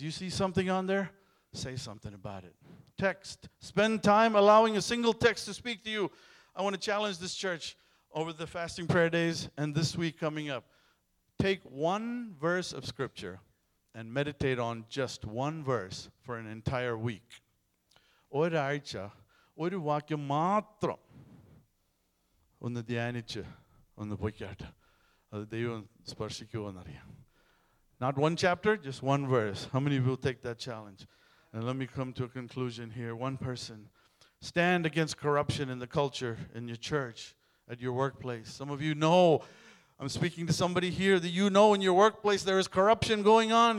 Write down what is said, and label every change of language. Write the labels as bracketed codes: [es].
[en] You see something on there, say something about it. Text. Spend time allowing a single text to speak to you. I want to challenge this church over the fasting prayer days and this week coming up. Take one verse of scripture and meditate on just one verse for an entire week. [ml] ഒരാഴ്ച ഒരു വാക്യം മാത്രം ഒന്ന് ധ്യാനിച്ച് ഒന്ന് പൊയ്ക്കാട്ട് അത് ദൈവം സ്പർശിക്കുമോ എന്നറിയാം. [en] Not one chapter, just one verse. How many of you will take that challenge? And let me come to a conclusion here. One person. Stand against corruption in the culture, in your church, at your workplace. Some of you know, I'm speaking to somebody here, that you know in your workplace there is corruption going on.